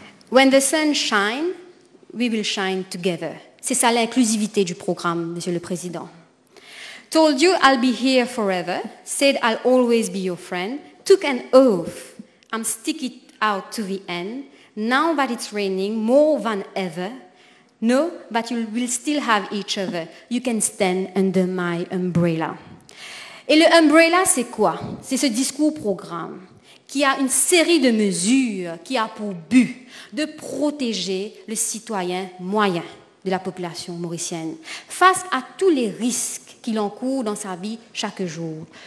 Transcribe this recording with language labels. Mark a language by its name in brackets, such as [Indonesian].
[English] When the sun shines, we will shine together. [French] C'est ça l'inclusivité du programme, Monsieur le Président. [English] Told you I'll be here forever, said I'll always be your friend, took an oath, I'm sticking it out to the end, now that it's raining more than ever, know that you will still have each other, you can stand under my umbrella. [French] Et le umbrella, c'est quoi? C'est ce discours programme qui a une série de mesures qui a pour but de protéger le citoyen moyen de la population mauricienne face à tous les risques qu'il encourt dans sa vie chaque jour.